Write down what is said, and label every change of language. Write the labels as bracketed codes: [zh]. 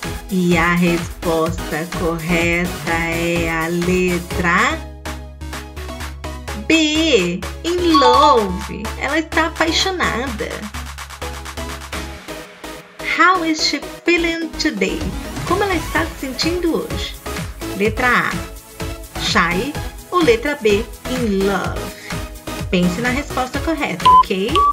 [pt] E a resposta correta é a letra B, in love. Ela está apaixonada. [en] How is she feeling today? [pt] Como ela está se sentindo hoje? Letra A, shy. Ou letra B, in love? Pense na resposta correta, ok?